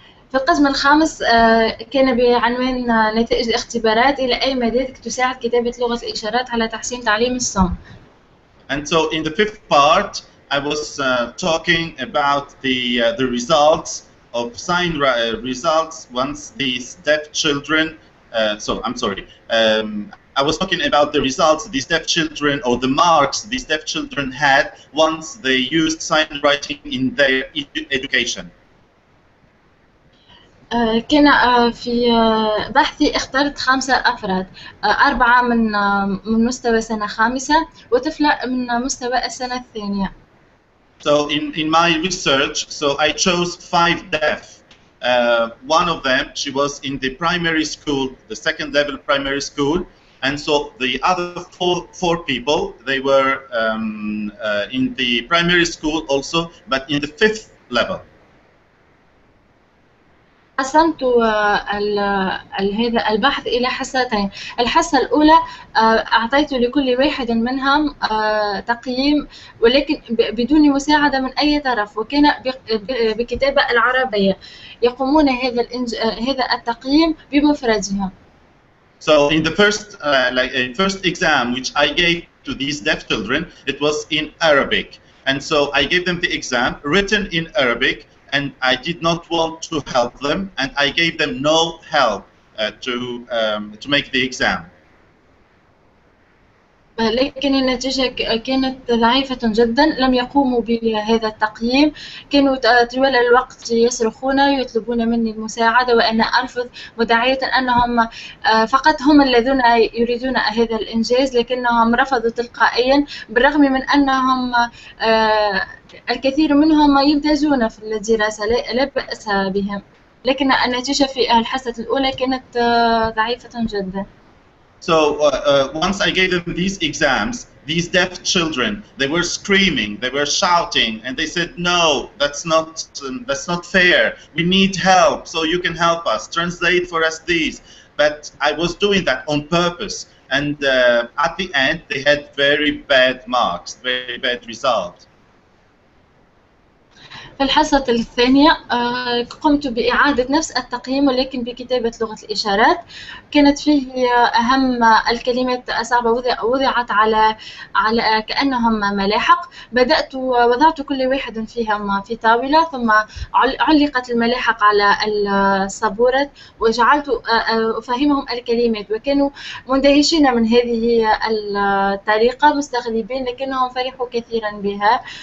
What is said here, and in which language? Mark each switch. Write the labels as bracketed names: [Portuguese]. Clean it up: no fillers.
[Arabic] في القسم الخامس كان بعنوان نتائج الاختبارات إلى أي مدى تساعد كتابة لغة الإشارات على تحسين تعليم الصم. [English] And so in the fifth part, I was talking about the results of sign results once these deaf children. I was talking about the results these deaf children or the marks these deaf children had once they used sign writing in their education. [Arabic] كان في بحثي اخترت 5 أفراد 4 من مستوى سنة خامسة وطفلة من مستوى السنة الثانية. [English] So in my research, so I chose 5 deaf one of them, she was in the primary school, the second level primary school, and so the other four people, they were in the primary school also, but in the fifth level. [Arabic] قسمت هذا البحث إلى حصتين. الحصة الأولى أعطيت لكل واحد منهم تقييم ولكن بدون مساعدة من أي طرف وكان بكتابة العربية. يقومون هذا التقييم بمفردهم. [English] So in the first first exam which I gave to these deaf children, it was in Arabic. And so I gave them the exam written in Arabic. And I did not want to help them, and I gave them no help to make the exam. [Arabic] لكن النتيجة كانت ضعيفة جدا. لم يقوموا بهذا التقييم. كانوا طوال الوقت يصرخون ويطلبون مني المساعدة وأنا أرفض مدعية أنهم فقط هم الذين يريدون هذا الإنجاز. لكنهم رفضوا تلقائيا بالرغم من أنهم الكثير منهم يمتازون في الدراسة لا بأس بهم. لكن النتيجة في الحصة الأولى كانت ضعيفة جدا. [English] So once I gave them these exams, these deaf children, they were screaming, they were shouting, and they said, "No, that's not fair. We need help, so you can help us. Translate for us these." But I was doing that on purpose. And at the end, they had very bad marks, very bad results. [Arabic] في الحصة الثانية قمت بإعادة نفس التقييم ولكن بكتابة لغة الإشارات. كانت فيه أهم الكلمات الصعبة وضعت على كأنهم ملاحق. بدأت ووضعت كل واحد فيهم في طاولة ثم علقت الملاحق على السبورة وجعلت أفهمهم الكلمات وكانوا مندهشين من هذه الطريقة مستغربين لكنهم فرحوا كثيرا بها.